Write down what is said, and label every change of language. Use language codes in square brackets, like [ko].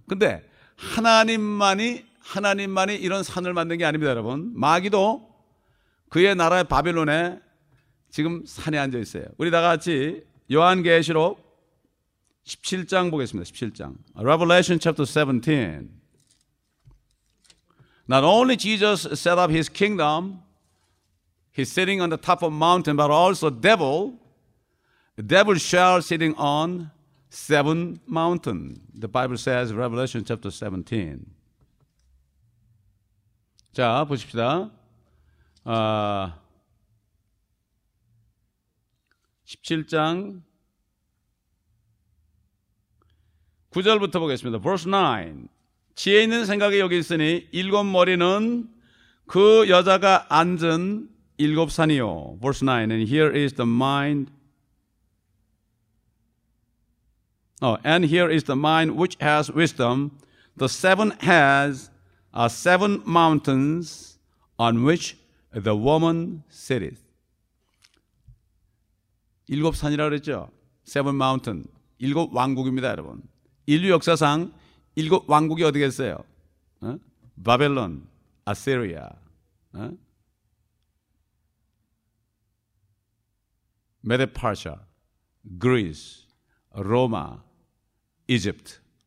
[ko] 그런데 하나님만이 이런 산을 만든 게 아닙니다, 여러분. 마귀도 그의 나라의 바빌론에 지금 산에 앉아 있어요. 우리 다 같이 요한계시록 17장 보겠습니다. 17장. [en] Revelation chapter 17. Not only Jesus set up his kingdom, he's sitting on the top of mountain, but also devil shall sitting on seven mountain. The Bible says Revelation chapter 17. [ko] 자, 보십시다. 17장 9절부터 보겠습니다. [en] Verse 9. [ko] 지혜 있는 생각이 여기 있으니 일곱 머리는 그 여자가 앉은 일곱 산이요. [en] Verse 9. And here is the mind. And here is the mind which has wisdom. The seven heads are seven mountains on which the woman sitteth. [ko] 일곱 산이라 그랬죠? [en] Seven mountain. [ko] 일곱 왕국입니다, 여러분. 인류 역사상 일곱 왕국이 어디겠어요? 어? 바벨론, 아시리아, 메데파르샤, 그리스, 로마, 이집트.